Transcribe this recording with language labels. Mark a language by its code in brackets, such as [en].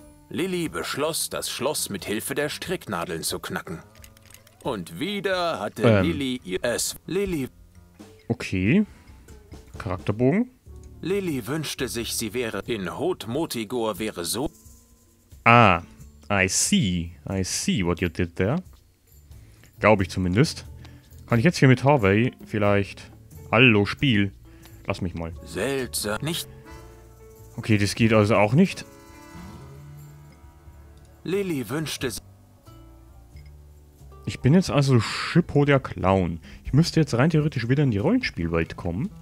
[de] Lilly beschloss, das Schloss mit Hilfe der Stricknadeln zu knacken. Und wieder hatte Lilly ihr Es. Lilly. Okay. Charakterbogen. Lilly wünschte sich, sie wäre in Hot Motigor wäre so. [en] Ah, I see what you did there. [de] Glaube ich zumindest. Kann ich jetzt hier mit Harvey vielleicht. Hallo, Spiel. Lass mich mal. Seltsam. Nicht. Okay, das geht also auch nicht. Lilly wünschte. Ich bin jetzt also Schippo der Clown. Ich müsste jetzt rein theoretisch wieder in die Rollenspielwelt kommen.